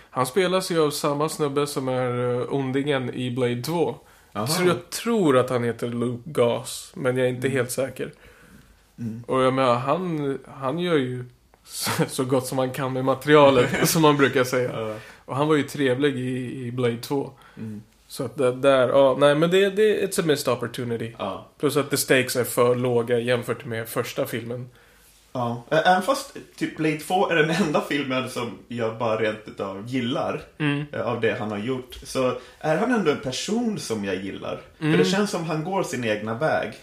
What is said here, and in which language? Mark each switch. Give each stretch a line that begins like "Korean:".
Swedish: Han spelas ju av samma snubbe som är ondingen i Blade 2. Aha. Så jag tror att han heter Luke Goss, men jag är inte helt säker. Mm. Och jag menar, han gör ju... Så gott som man kan med materialet, som man brukar säga. Ja. Och han var ju trevlig i Blade 2. Mm. Så att det där...
English: Oh,
Swedish: nej, men det
English: it's a missed opportunity.
Swedish: Ja. Plus att
English: the stakes
Swedish: är för låga jämfört med första filmen. Ja. Även fast typ Blade 2 är den enda filmen som jag bara rent utav gillar av det han har gjort. Så är han ändå en person som jag gillar. Mm. För det känns som han går sin egna väg.